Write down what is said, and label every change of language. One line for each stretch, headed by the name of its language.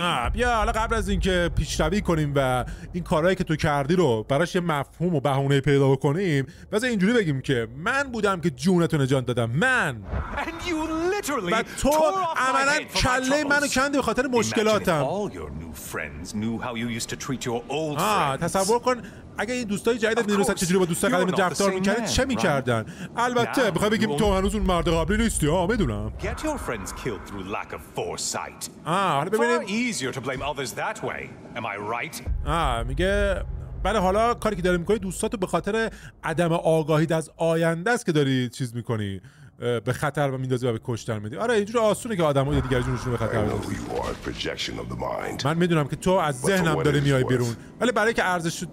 Persian: آه بیا حالا قبل از اینکه پیشروی کنیم و این کارهایی که تو کردی رو براش یه مفهوم و بهونه پیدا بکنیم، بذار اینجوری بگیم که من بودم که جونتو نجات دادم. من.
English: And you literally.
Persian: و تو عملا کله منو کندی به خاطر مشکلاتم.
English: All your new friends knew how you used to treat your old friends.
Persian: آه تصور کن اگه این دوستای جدیدت میدونستن چجوری با دوستای قدیمی رفتار میکردن چه میکردن؟
English: right.
Persian: البته میخوای بگیم تو هنوز اون مرد قبلی نیستی؟ آه میدونم.
English: Get your friends killed through lack of foresight.
Persian: آه حالا ببینیم.
English: Far easier to blame others that way. Am I right?
Persian: آه میگه بله حالا کاری که داری میکنی دوستاتو به خاطر عدم آگاهیت از آینده است که داری چیز میکنی، به خطر و میندازی و به کشتن میدی. آره اینجور آسونه که آدم های دیگر جونشون رو به خطر میدازی. من میدونم که تو از ذهنم داری میای بیرون، ولی برای که عرضش شد